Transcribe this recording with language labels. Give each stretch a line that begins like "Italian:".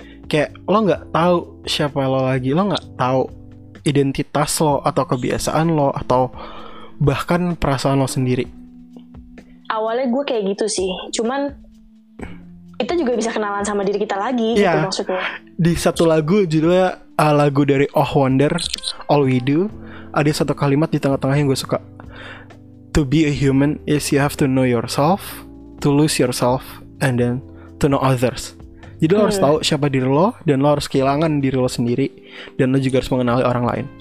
Indonesian: Kayak lo enggak tahu siapa lo lagi, lo enggak tahu identitas lo atau kebiasaan lo atau bahkan perasaan lo sendiri. Awalnya gue kayak gitu sih. Cuman kita juga bisa kenalan sama diri kita lagi, yeah, gitu maksudnya. Di satu lagu judulnya lagu dari Oh Wonder, All We Do, ada satu kalimat di tengah-tengah yang gue suka.
English: To be a human is you have to know yourself, to lose yourself, and then to know others.
Indonesian: Jadi lo harus tahu siapa diri lo, dan lo harus kehilangan diri lo sendiri, dan lo juga harus mengenali orang lain.